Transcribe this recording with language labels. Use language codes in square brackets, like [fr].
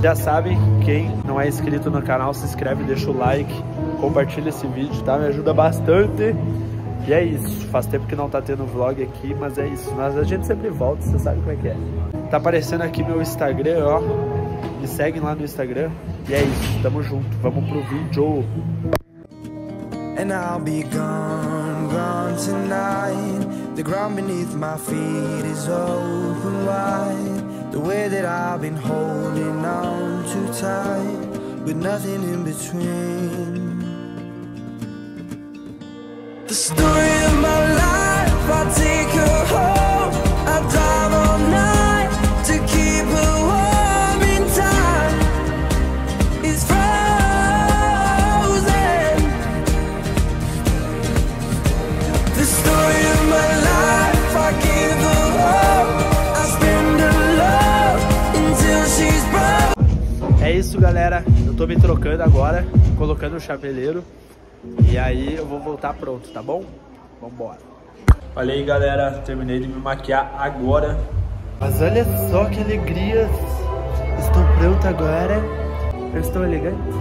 [pt] Já sabe, quem não é inscrito no canal, se inscreve, deixa o like, compartilha esse vídeo, tá? Me ajuda bastante. E é isso, faz tempo que não tá tendo vlog aqui, mas é isso. Mas a gente sempre volta, você sabe como é que é. Tá aparecendo aqui meu Instagram, ó. Me seguem lá no Instagram. E é isso, tamo junto, vamos pro vídeo. [en] And I'll be gone, gone tonight. The ground beneath my feet is open wide. The way that I've been holding on too tight, with nothing in between. The story of my life, I take her home. I drive all night to keep her warm in time. It's frozen. The story of my life, I give her hope. I spend her love until she's broke. [pt] É isso, galera. Eu tô me trocando agora, colocando o chapeleiro. E aí eu vou voltar pronto, tá bom? Vambora. Olha aí, galera, terminei de me maquiar agora. Mas olha só que alegria. Estou pronto agora. Eu estou elegante.